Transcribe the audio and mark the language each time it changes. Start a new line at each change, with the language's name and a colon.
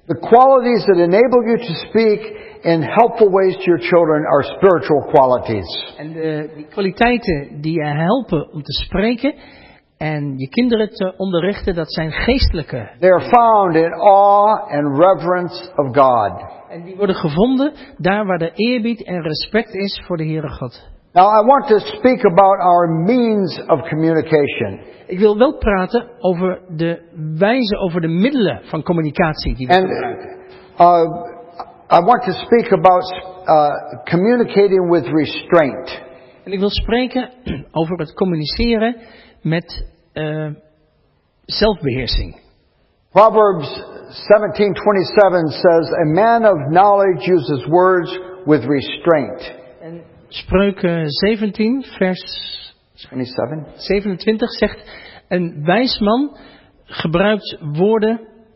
English: The qualities that enable you to speak in helpful ways to your children are spiritual qualities.
Dutch: En de kwaliteiten die je helpen om te spreken en je kinderen te onderrichten, dat zijn geestelijke.
English: They are found in awe and reverence of God.
Dutch: En die worden gevonden daar waar de eerbied en respect is voor de Heere God.
English: Now I want to speak about our means of communication.
Dutch: Ik wil wel praten over de wijze, over de middelen van communicatie die we gebruiken.
English: I want to speak about communicating with restraint.
Dutch: En ik wil spreken over het communiceren met zelfbeheersing.
English: Proverbs 17:27 says a man of knowledge uses words with restraint.
Dutch: En Spreuken 17 vers 27 zegt een wijs man gebruikt woorden.